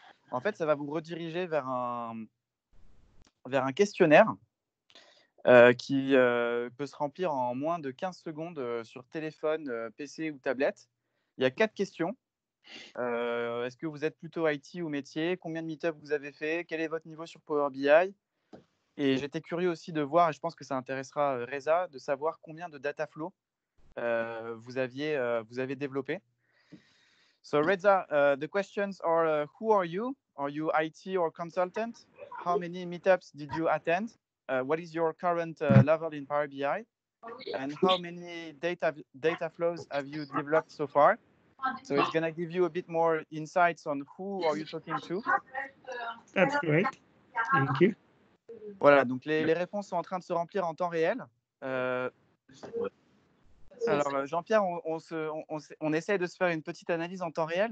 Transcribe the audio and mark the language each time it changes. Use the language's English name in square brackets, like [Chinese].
[French] En fait, ça va vous rediriger vers un questionnaire qui peut se remplir en moins de 15 secondes sur téléphone, PC ou tablette. Il y a 4 questions. Est-ce que vous êtes plutôt IT ou métier? Combien de meet-up vous avez fait? Quel est votre niveau sur Power BI? Et j'étais curieux aussi de voir, et je pense que ça intéressera Reza, de savoir combien de Dataflow vous avez développé. [English] So Reza, the questions are, who are you? Are you IT or consultant? How many meetups did you attend? What is your current level in Power BI? And how many data flows have you developed so far? So it's going to give you a bit more insights on who are you talking to. That's great. Thank you. [French] Voilà, donc les réponses sont en train de se remplir en temps réel. Alors, Jean-Pierre, on essaie de se faire une petite analyse en temps réel.